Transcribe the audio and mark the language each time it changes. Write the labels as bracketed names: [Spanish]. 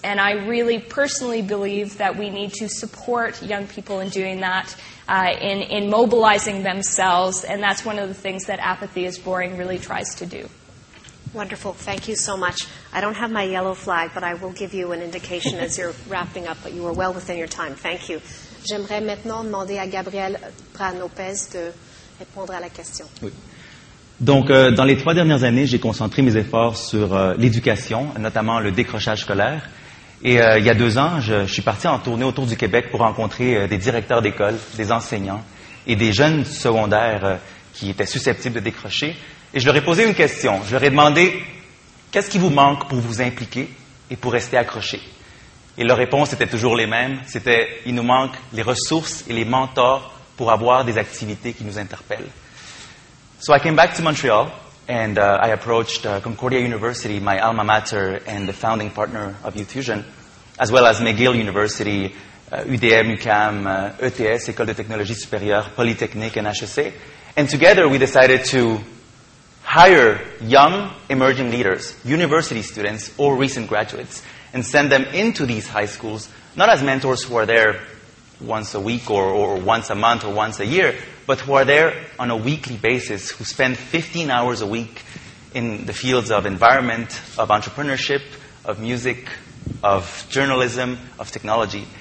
[English] And I really personally believe that we need to support young people in doing that, in mobilizing themselves. And that's one of the things that Apathy is Boring really tries to do. Wonderful. Thank you so much. I don't have my yellow flag, but I will give you an indication as you're wrapping up, but you were well within your time. Thank you. [French] J'aimerais maintenant demander à Gabriel Bran-Lopez de répondre à la question. Oui. Donc, dans les 3 dernières années, j'ai concentré mes efforts sur l'éducation, notamment le décrochage scolaire. Et il y a 2 ans, je suis parti en tournée autour du Québec pour rencontrer des directeurs d'école, des enseignants et des jeunes secondaires qui étaient susceptibles de décrocher. Et je leur ai posé une question. Je leur ai demandé, qu'est-ce qui vous manque pour vous impliquer et pour rester accroché? Et leurs réponses étaient toujours les mêmes. C'était, il nous manque les ressources et les mentors pour avoir des activités qui nous interpellent. [English] So I came back to Montreal and I approached Concordia University, my alma mater and the founding partner of Utusion, as well as McGill University, UDM, UCAM, ETS, École de technologie supérieure, Polytechnique and HEC. And together we decided to hire young emerging leaders, university students or recent graduates, and send them into these high schools, not as mentors who are there once a week or once a month or once a year, but who are there on a weekly basis, who spend 15 hours a week in the fields of environment, of entrepreneurship, of music, of journalism, of technology.